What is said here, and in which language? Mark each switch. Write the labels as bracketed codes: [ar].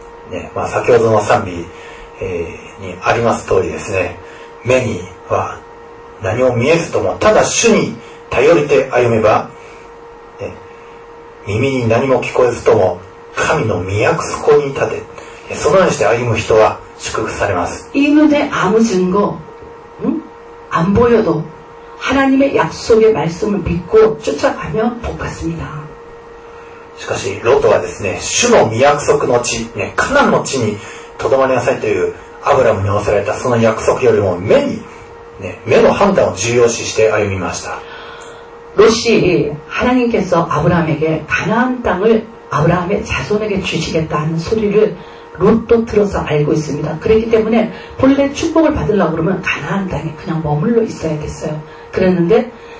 [ja] 네まあ先ほどの賛美にあります通りですね目には何も見えずともただ主に頼りて歩めば、ね、耳に何も聞こえずとも神の御約束に立てそのようにして歩む人は祝福されます [ko] 이눈에아무증거안보여도 하나님의약속의말씀을믿고쫓아가면복받습니다 [ja] しかしロトはですね主の御約束の地、ね、カナンの地にとどまりなさいというアブラムに仰せられたその約束よりも目に、ね、目の判断を重要視して歩みました [ko] ロシー하나님께서아브라함에게가나안땅을아브라함의자손에게주시겠다는소리를로또들어서알고있습니다그렇기때문에본래축복을받으려고그러면가나안땅에그냥머물러있어야겠어요그랬는데